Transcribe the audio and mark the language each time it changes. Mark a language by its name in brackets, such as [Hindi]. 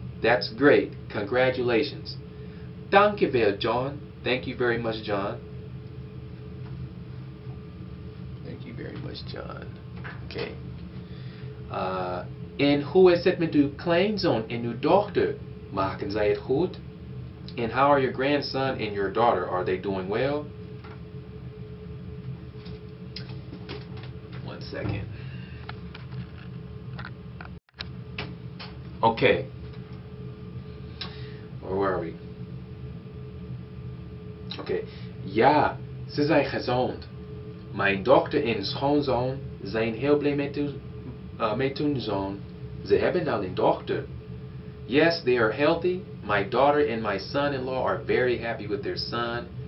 [English] That's great. Congratulations. [Dutch] Dank je wel, John. [English] Thank you very much, John. Thank you very much, John. Okay. [Dutch] En hoe is het met uw kleinzoon en uw dochter? Maken zij het goed? [English] And how are your grandson and your daughter? Are they doing well? One second. Okay. Where were we? [Dutch] Okay. Ja, ze zijn gezond. Mijn dochter en schoonzoon zijn heel blij met hun zoon. Ze hebben al een dochter. [English] Yes, they are healthy. My daughter and my son-in-law are very happy with their son.